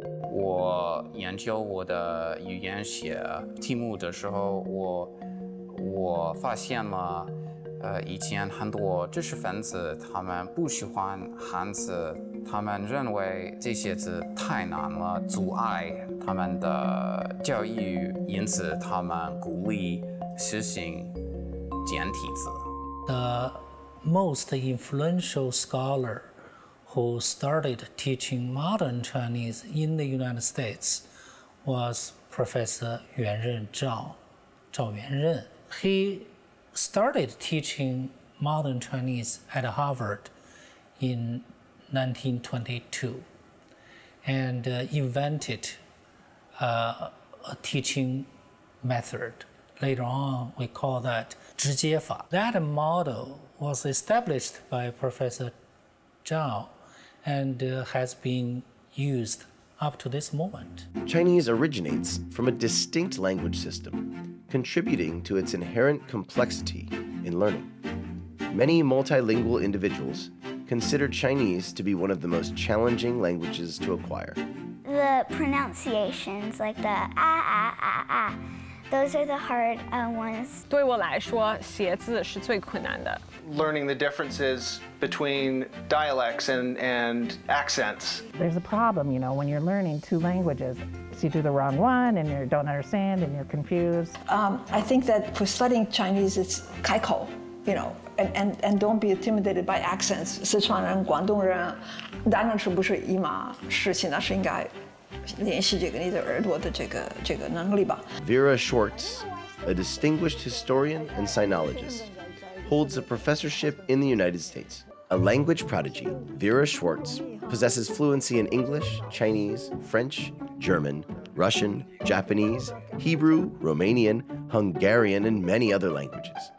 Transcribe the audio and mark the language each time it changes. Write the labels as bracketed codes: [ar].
[zh] 我研究我的语言写题目的时候，我发现了以前很多知识分子他们不喜欢汉字，他们认为这些字太难了，阻碍他们的教育，因此他们鼓励实行简体字。 [en] The most influential scholar who started teaching modern Chinese in the United States was Professor 袁任赵，赵袁任。 He started teaching modern Chinese at Harvard in 1922 and invented a teaching method. Later on, we call that 直接法. That model was established by Professor Zhao and has been used up to this moment. Chinese originates from a distinct language system, contributing to its inherent complexity in learning. Many multilingual individuals consider Chinese to be one of the most challenging languages to acquire. The pronunciations, like the those are the hard ones. [zh] 对我来说，写字是最困难的。 [en] Learning the differences between dialects and accents. There's a problem, you know, when you're learning two languages. So you do the wrong one, and you don't understand, and you're confused. I think that for studying Chinese, it's kaikou, you know, and don't be intimidated by accents. [zh] 四川人、广东人，当然是不是一码事情，那是应该联系这个你的耳朵的这个能力吧。 [en] Vera Schwartz, a distinguished historian and sinologist, holds a professorship in the United States. A language prodigy, Vera Schwartz possesses fluency in English, Chinese, French, German, Russian, Japanese, Hebrew, Romanian, Hungarian, and many other languages.